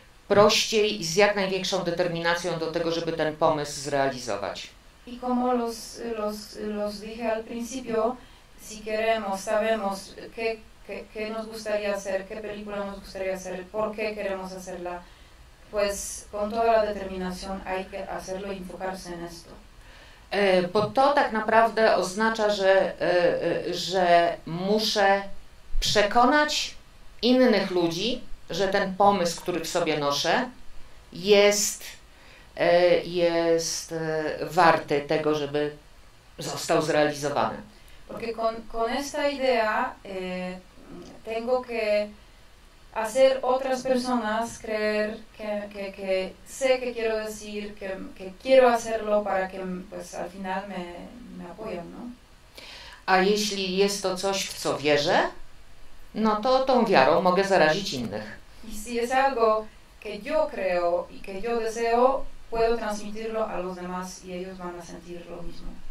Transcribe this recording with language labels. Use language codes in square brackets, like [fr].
[pl] prościej i z jak największą determinacją do tego, żeby ten pomysł zrealizować. [es] Y como los dije al principio, si queremos, sabemos qué nos gustaría hacer, qué película nos gustaría hacer, por qué queremos hacerla, pues con toda la determinación hay que hacerlo y enfocarse en esto. [pl] Bo to tak naprawdę oznacza, że muszę przekonać innych ludzi, że ten pomysł, który w sobie noszę, jest warty tego, żeby został zrealizowany. [es] Porque con esta idea tengo que hacer otras personas creer que sé que quiero decir, que quiero hacerlo para que pues, al final me apoyen, ¿no? [pl] A jeśli jest to coś, w co wierzę, no to tą wiarą mogę zarazić innych. [es] Y si es algo que yo creo y que yo deseo, puedo transmitirlo a los demás y ellos van a sentir lo mismo.